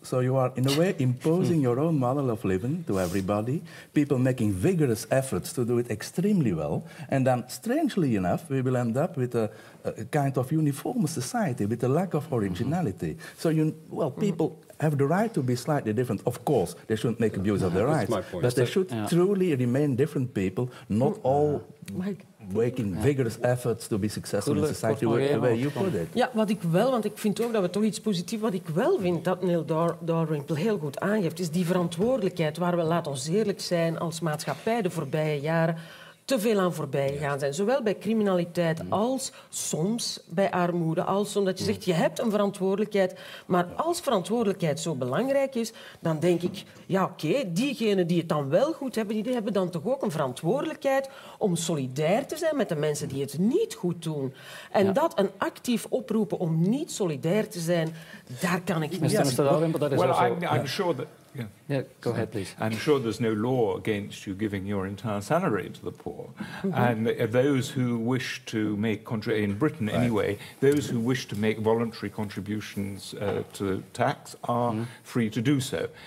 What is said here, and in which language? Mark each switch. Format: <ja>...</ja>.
<en>So you are, in a way, imposing your own model of living to everybody, people making vigorous efforts to do it extremely well, and then, strangely enough, we will end up with a kind of uniform society with a lack of originality. Mm-hmm. So, people have the right to be slightly different. Of course, they shouldn't make abuse of their rights. But they should truly remain different people, not all... making vigorous efforts to be successful in society, where you put it.</en> <nl>Ja, wat ik wel, want ik vind ook dat we toch iets positiefs... Wat ik wel vind dat Neil Dalrymple heel goed aangeeft, is die verantwoordelijkheid waar we, laat ons eerlijk zijn, als maatschappij de voorbije jaren te veel aan voorbij gegaan zijn. Zowel bij criminaliteit als soms bij armoede. Als omdat je zegt, je hebt een verantwoordelijkheid. Maar als verantwoordelijkheid zo belangrijk is, dan denk ik, diegenen die het dan wel goed hebben, die hebben dan toch ook een verantwoordelijkheid om solidair te zijn met de mensen die het niet goed doen. En dat een actief oproepen om niet solidair te zijn, daar kan ik niet aan.</nl> <en>I'm sure there's no law against you giving your entire salary to the poor. Mm-hmm. And those who wish to make, in Britain anyway, those who wish to make voluntary contributions to tax are free to do so.</en>